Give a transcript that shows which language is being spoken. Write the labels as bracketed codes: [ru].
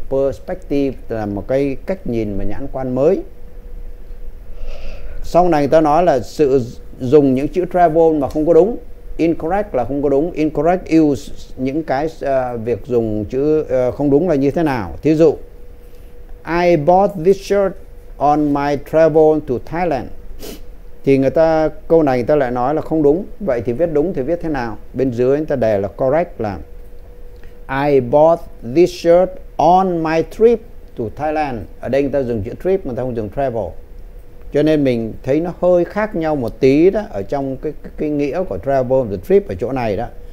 [vi] Perspective là một cái cách nhìn và nhãn quan mới. Sau này người ta nói là sự dùng những chữ travel mà không có đúng, incorrect là không có đúng. Incorrect use, những cái việc dùng chữ không đúng là như thế nào. Thí dụ [en] I bought this shirt on my travel to Thailand. [vi] Thì người ta, câu này người ta lại nói là không đúng. Vậy thì viết đúng thì viết thế nào? Bên dưới người ta đề là correct là [en] I bought this shirt on my trip to Thailand. [vi] Ở đây người ta dùng chữ trip mà người ta không dùng travel. Cho nên mình thấy nó hơi khác nhau một tí đó, ở trong cái nghĩa của travel và trip ở chỗ này đó.